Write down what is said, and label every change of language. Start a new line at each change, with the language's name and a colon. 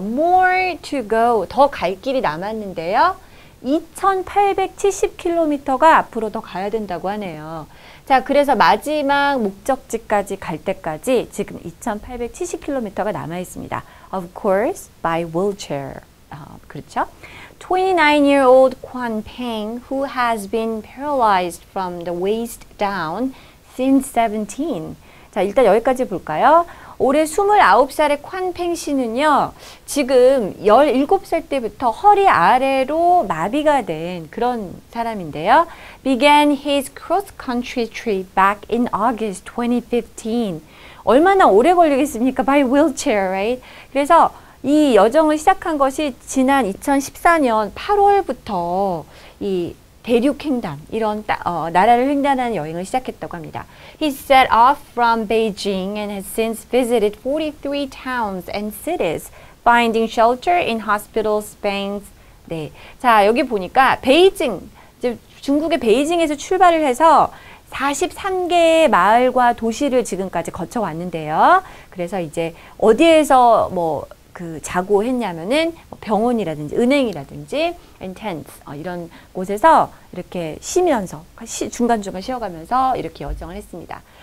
English: More to go.
Korean: 더갈 길이 남았는데요. 2,870km가 앞으로 더 가야 된다고 하네요. 자, 그래서 마지막 목적지까지 갈 때까지 지금 2,870km가 남아 있습니다.
English: Of course, by wheelchair.
Korean: 그렇죠?
English: 29-year-old Quan Peng, who has been paralyzed from the waist down since 17.
Korean: 자, 일단 여기까지 볼까요? 올해 29살의 콴팽 씨는요, 지금 17살 때부터 허리 아래로 마비가 된 그런 사람인데요.
English: Began his cross-country trip back in August 2015.
Korean: 얼마나 오래 걸리겠습니까?
English: By wheelchair, right?
Korean: 그래서 이 여정을 시작한 것이 지난 2014년 8월부터 이 대륙 횡단, 이런 나라를 횡단하는 여행을 시작했다고 합니다.
English: He set off from Beijing and has since visited 43 towns and cities, finding shelter in hospitals, banks.
Korean: 네, 자, 여기 보니까 베이징, 이제 중국의 베이징에서 출발을 해서 43개의 마을과 도시를 지금까지 거쳐왔는데요. 그래서 이제 어디에서 뭐그 자고 했냐면은 병원이라든지 은행이라든지 tents 이런 곳에서 이렇게 쉬면서 중간중간 쉬어가면서 이렇게 여정을 했습니다.